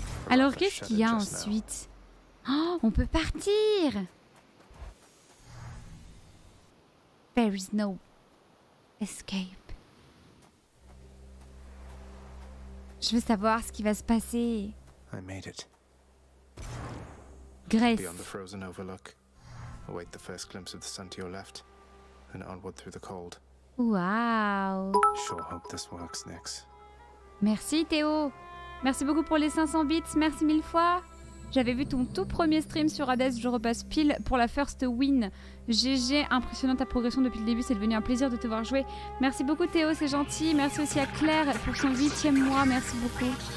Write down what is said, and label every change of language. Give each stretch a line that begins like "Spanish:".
French: Alors qu'est-ce qu'il y a ensuite? Oh, on peut partir!
English: There is no escape.
French: Je veux savoir ce qui va se passer.
English: I made it.
French: Grèce.
English: Beyond the frozen overlook, await the first glimpse of the sun to your left, and onward through the cold. Wow. Sure hope this works, Nyx.
French: Merci Théo, merci beaucoup pour les 500 bits, merci mille fois. J'avais vu ton tout premier stream sur Hadès, je repasse pile pour la
English: first win.
French: GG, impressionnant ta progression depuis le début, c'est devenu un plaisir de te voir jouer. Merci beaucoup Théo, c'est gentil. Merci aussi à Claire pour son 8e mois, merci beaucoup.